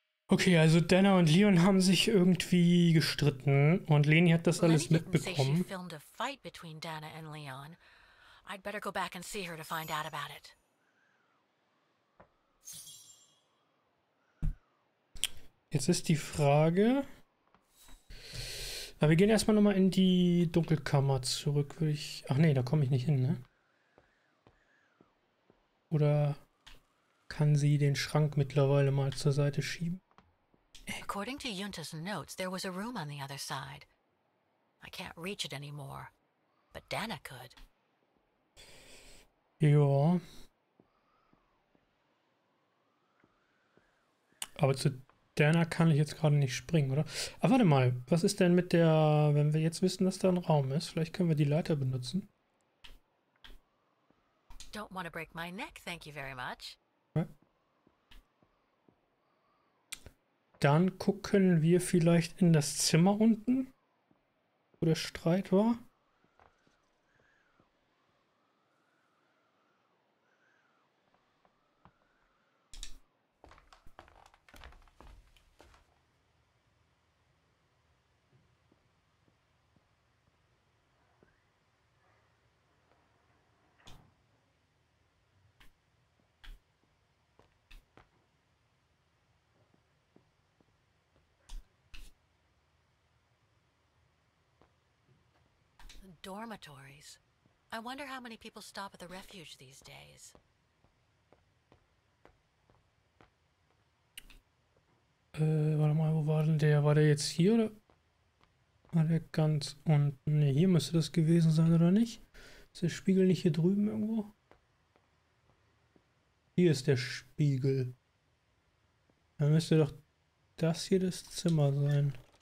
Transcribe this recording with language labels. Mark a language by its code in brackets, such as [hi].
[de] Okay, also Dana und Leon haben sich irgendwie gestritten und Leni hat das alles mitbekommen. Leni filmte einen Fight zwischen Dana und Leon. [en] I'd better go back and see her to find out about it. [de] Jetzt ist die Frage. Aber wir gehen erstmal nochmal in die Dunkelkammer zurück, würde ich. Ach nee, da komme ich nicht hin, ne? Oder kann sie den Schrank mittlerweile mal zur Seite schieben? [en] According to Yunta's notes, there was a room on the other side. I can't reach it anymore, but Dana could. [de] Ja. Aber zu Dana kann ich jetzt gerade nicht springen, oder? Aber warte mal, was ist denn mit der, wenn wir jetzt wissen, dass da ein Raum ist, vielleicht können wir die Leiter benutzen. [en] Don't want to break my neck, thank you very much. [de] Dann gucken wir vielleicht in das Zimmer unten, wo der Streit war. [en] Dormitories. I wonder how many people stop at the refuge these days. [de] Warte mal, wo war denn der? War der jetzt hier oder? War der ganz unten? Ne, hier müsste das gewesen sein oder nicht? Ist der Spiegel nicht hier drüben irgendwo? Hier ist der Spiegel. Dann müsste doch das hier das Zimmer sein.